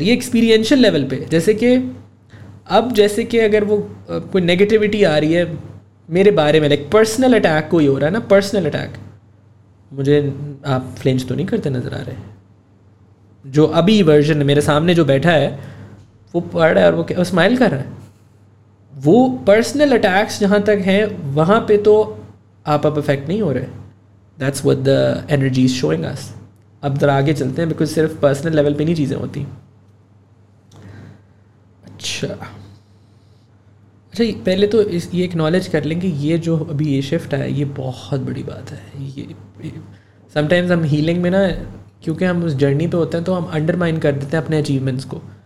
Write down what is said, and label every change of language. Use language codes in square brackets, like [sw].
[ur] یہ experiential level پہ, جیسے کہ اب جیسے کہ اگر وہ کوئی نگیٹیوٹی آ رہی ہے میرے بارے میں, لائک پرسنل اٹیک کوئی ہو رہا ہے نا, پرسنل اٹیک. مجھے آپ فلینچ تو نہیں کرتے نظر آ رہے, جو ابھی ورژن میرے سامنے جو بیٹھا ہے وہ پڑھ رہا ہے اور وہ اسمائل کر رہا ہے. وہ پرسنل اٹیکس جہاں تک ہیں وہاں پہ تو آپ افیکٹ نہیں ہو رہے. [en] That's what the energy is showing us. [ur] اب ذرا آگے چلتے ہیں, بیکاز صرف پرسنل لیول پہ نہیں چیزیں ہوتی. اچھا اچھا, پہلے تو یہ اکنالج کر لیں کہ یہ جو ابھی یہ شفٹ آیا یہ بہت بڑی بات ہے. یہ سم ٹائمز ہم ہیلنگ میں نا, کیونکہ ہم اس جرنی پہ ہوتے ہیں تو ہم انڈر مائن کر دیتے ہیں اپنے اچیومنٹس کو.